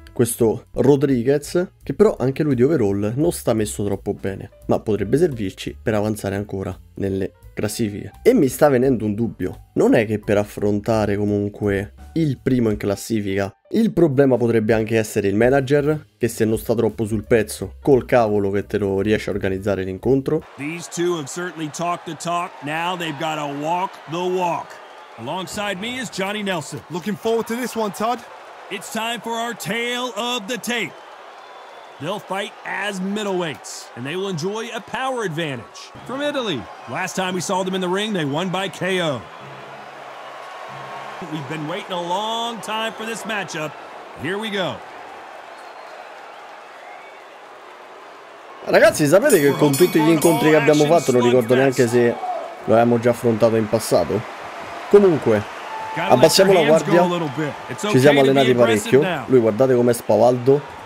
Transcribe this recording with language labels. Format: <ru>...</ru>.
<it>Questo Rodriguez, che però anche lui di overall non sta messo troppo bene, ma potrebbe servirci per avanzare ancora nelle classifiche. E mi sta venendo un dubbio. Non è che per affrontare comunque il primo in classifica, il problema potrebbe anche essere il manager, che se non sta troppo sul pezzo, col cavolo che te lo riesce a organizzare l'incontro.</it> <en>These two have certainly talked the talk, now they've got to walk the walk. Alongside me is Johnny Nelson. Looking forward to this one, Todd. It's time for our tale of the tape. They'll fight as middleweights, and they will enjoy a power advantage. From Italy, last time we saw them in the ring, they won by KO. We've been waiting a long time for this matchup. Here we go.</en> <it>Ragazzi, sapete che con tutti gli incontri che abbiamo fatto, non ricordo neanche se lo abbiamo già affrontato in passato. Comunque, abbassiamo la guardia, ci siamo allenati parecchio. Lui, guardate com'è spavaldo.</it>